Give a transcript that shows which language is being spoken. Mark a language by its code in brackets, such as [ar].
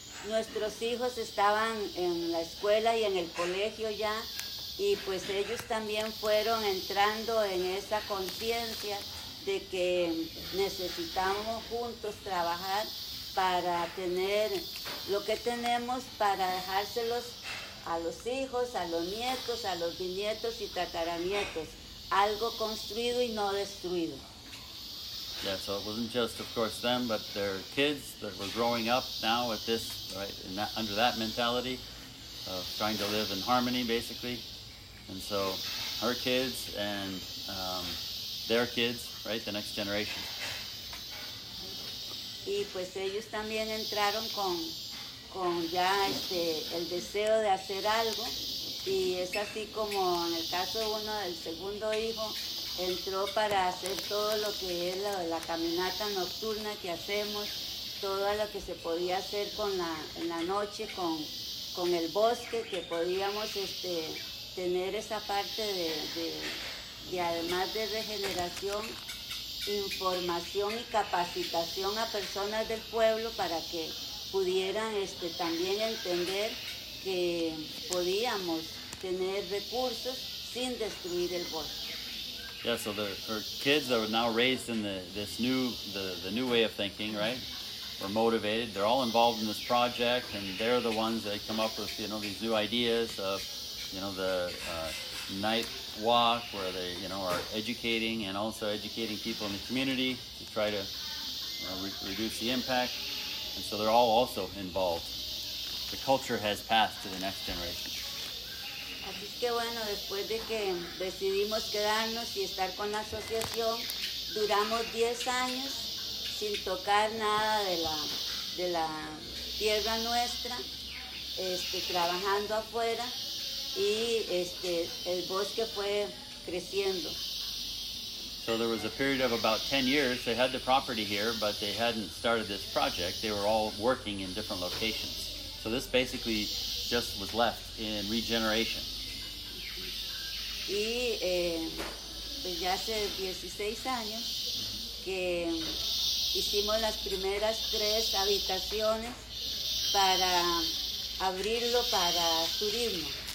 [es] Nuestros hijos estaban en la escuela y en el colegio ya, y pues ellos también fueron entrando en esa conciencia de que necesitamos juntos trabajar para tener lo que tenemos, para dejárselos a los hijos, a los nietos, a los bisnietos y tataranietos, algo construido y no destruido. [en] Yeah, so it wasn't just, of course, them, but their kids that were growing up now with this, right, under that mentality of trying to live in harmony, basically. And so her kids and their kids, right, the next generation. [es] Y pues ellos también entraron con ya el deseo de hacer algo. Y es así como en el caso de uno del segundo hijo, entró para hacer todo lo que es la caminata nocturna que hacemos, todo lo que se podía hacer en la noche con el bosque, que podíamos tener esa parte de además de regeneración, información y capacitación a personas del pueblo para que pudieran también entender que podíamos tener recursos sin destruir el bosque. [en] Yeah, so her kids that were now raised in this new new way of thinking, right, were motivated. They're all involved in this project, and they're the ones that come up with, you know, these new ideas of, you know, the night walk where they, you know, are educating and also educating people in the community to try to, you know, reduce the impact. And so they're all also involved. The culture has passed to the next generation. [es] Así que bueno, después de que decidimos quedarnos y estar con la asociación, duramos 10 años sin tocar nada de la tierra nuestra, trabajando afuera, y el bosque fue creciendo. [en] So there was a period of about 10 years. They had the property here, but they hadn't started this project. They were all working in different locations. So this basically just was left in regeneration. [es] Y pues ya hace 16 años que hicimos las primeras tres habitaciones para abrirlo para turismo.